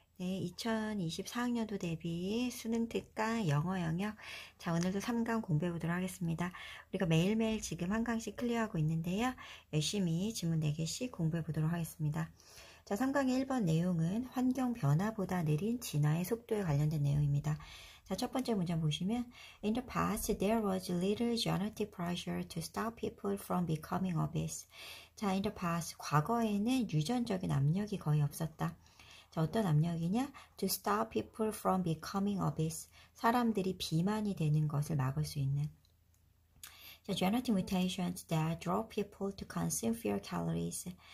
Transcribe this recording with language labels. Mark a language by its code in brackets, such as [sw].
[ko] 네, 2024학년도 대비 수능 특강 영어 영역. 자, 오늘도 3강 공부해 보도록 하겠습니다. 우리가 매일매일 지금 한 강씩 클리어하고 있는데요. 열심히 지문 4개씩 공부해 보도록 하겠습니다. 자, 3강의 1번 내용은 환경 변화보다 느린 진화의 속도에 관련된 내용입니다. 자, 첫 번째 문장 보시면 [en] In the past, there was little genetic pressure to stop people from becoming obese. [ko] 자, [en] In the past, [ko] 과거에는 유전적인 압력이 거의 없었다. 자, 어떤 압력이냐? [en] To stop people from becoming obese. [ko] 사람들이 비만이 되는 것을 막을 수 있는. [en] 자, genetic mutations that draw people to consume fewer calories.